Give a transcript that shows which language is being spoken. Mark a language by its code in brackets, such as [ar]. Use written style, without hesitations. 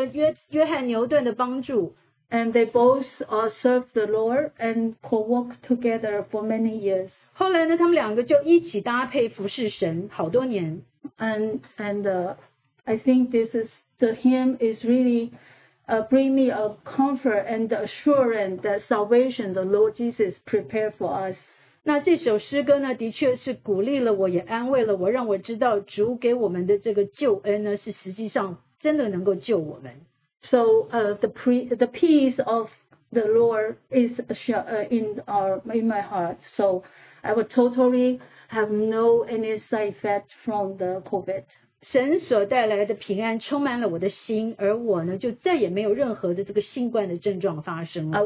[zh] 那所以这个人呢就受到了这个约翰牛顿的帮助。 [en] And they both served the Lord and co-worked together for many years. [zh] 后来呢他们两个就一起搭配服侍神好多年。 [en] And I think this is the hymn is really bring me a comfort and the assurance that salvation the Lord Jesus prepared for us. [zh] 那这首诗歌呢, 的确是鼓励了我, 也安慰了我, 让我知道主给我们的这个救恩呢, 是实际上真的能够救我们。 [en] So the peace of the Lord is in my heart. So I would totally have no any side effect from the COVID. [zh] 神所带来的平安充满了我的心, 而我呢, 就再也没有任何的这个新冠的症状发生了。